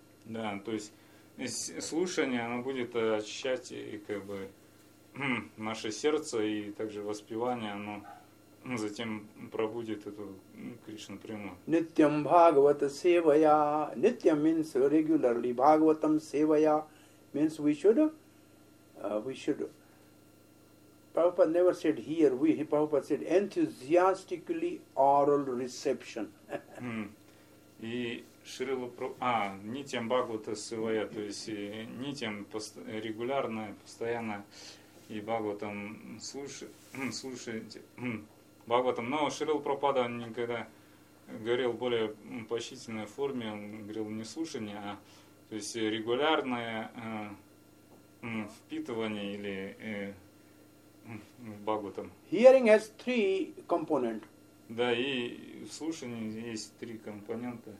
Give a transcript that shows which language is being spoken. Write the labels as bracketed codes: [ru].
[ru] Да, то есть слушание, оно будет очищать и как бы наше сердце, и также воспевание, оно затем пробудит эту Кришна Прему. [sa] Nityam Bhagavata Sevaya. [en] Nityam means regularly. Bhagavatam Sevaya means we should Prabhupada never said here, Prabhupada said enthusiastically oral reception. [ru] И Шрила Нитям Бхагавата Севая, то есть Нитям регулярно, постоянно, и Бхагаватам слушать Бхагаватам. Но Шрила Прабхупада никогда говорил в более поощрительной форме, он говорил не слушание, а то есть регулярное впитывание или Бхагаватам. [en] Hearing has three components. [ru] Да, и в слушании есть три компонента.